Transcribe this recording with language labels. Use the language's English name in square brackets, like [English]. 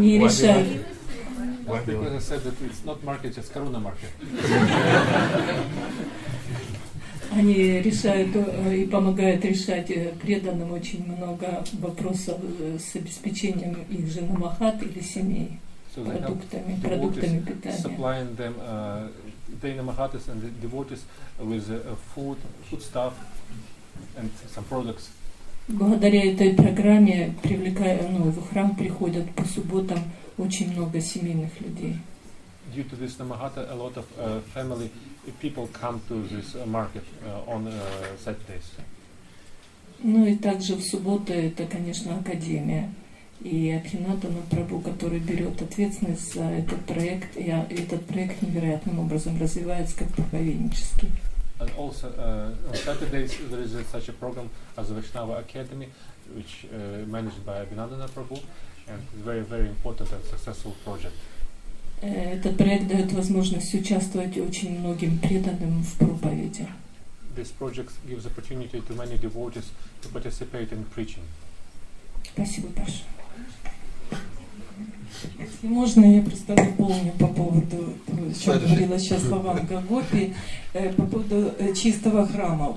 [English] Because I said that it's not market, it's Karuna Market. [Russian] Они решают и помогают решать преданным очень много вопросов с обеспечением их же намахат или семей продуктами, продуктами питания. [English] Supplying them, the намахатис and the devotees with food stuff and some products. [Russian] Благодаря этой программе в храм приходят по субботам очень много семейных людей. [English] Due to this намахата, a lot of family people come to this market on Saturdays. [Russian] Ну и также в субботу это, конечно, академия и Абхинатана Прабху, который берет ответственность за этот проект, и этот проект невероятным образом развивается как проповеднический. [English] And also on Saturdays there is such a program as the Vaishnava Academy, which managed by Abhinandana Prabhu, and it's very very important and successful project. [Russian] Этот проект дает возможность участвовать очень многим преданным в проповеди. [English] This project gives opportunity to many devotees to participate in preaching. [Russian] Спасибо, Паша. Если можно, я просто дополню по поводу, что говорила сейчас Лаван Гагопи, по поводу чистого храма.